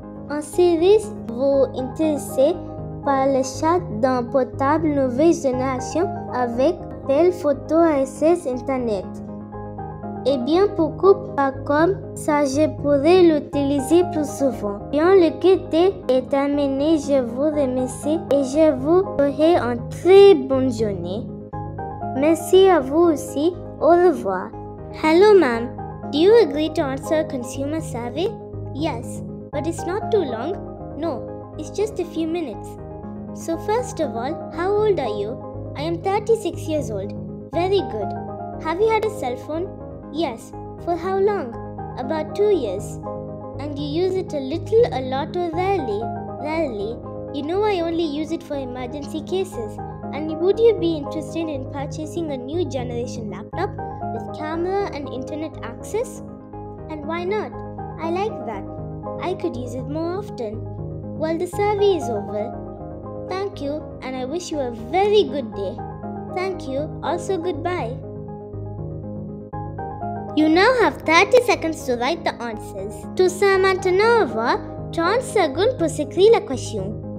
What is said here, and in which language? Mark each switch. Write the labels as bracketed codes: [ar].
[fr] En service, vous intéressez par l'achat d'un portable nouvelle génération avec appel photo SS Internet. Eh bien, pourquoi pas comme ça, je pourrais l'utiliser plus souvent. Bien, le QT est terminé, je vous remercie et je vous souhaite une très bonne journée. Merci à vous aussi, au revoir. [en] Hello ma'am, do you agree to answer a consumer survey? Yes, but it's not too long. No, it's just a few minutes. So first of all, how old are you? I am 36 years old. Very good. Have you had a cell phone? Yes. For how long? About 2 years. And you use it a little, a lot, or rarely? Rarely. You know I only use it for emergency cases. And would you be interested in purchasing a new generation laptop with camera and internet access? And why not? I like that. I could use it more often. Well, the survey is over. Thank you, and I wish you a very good day. Thank you, also goodbye. You now have 30 seconds to write the answers. [fr] To say maintenant avoir 30 secondes pour s'écrire la question.